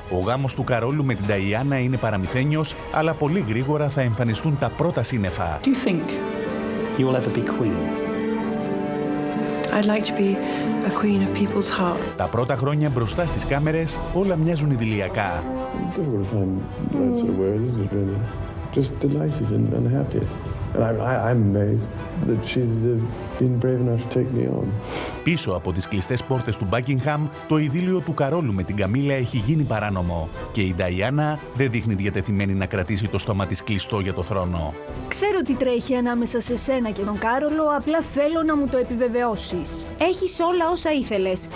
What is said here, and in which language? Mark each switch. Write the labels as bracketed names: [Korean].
[Greek] Ο γάμος του Καρόλου με την Νταϊάννα είναι παραμυθένιος, αλλά πολύ γρήγορα θα εμφανιστούν τα πρώτα σύννεφα. [English] Do you think you'll ever be queen? I'd like to be a queen of people's hearts. [Greek] Τα πρώτα χρόνια μπροστά στις κάμερες όλα μοιάζουν ειδηλιακά. [English] Difficult to find the right sort of word, isn't it, really? Just delighted and happy. And I'm amazed that she's been brave enough to take me on. [Greek] Πίσω από τις κλειστές πόρτες του Buckingham, το ειδύλιο του Καρόλου με την Καμίλα έχει γίνει παράνομο και η Νταϊάννα δεν δείχνει διατεθειμένη να κρατήσει το στόμα της κλειστό για το θρόνο. Ξέρω τι τρέχει ανάμεσα σε σένα και τον Κάρολο, απλά θέλω να μου το επιβεβαιώσεις. Έχεις όλα όσα ήθελες.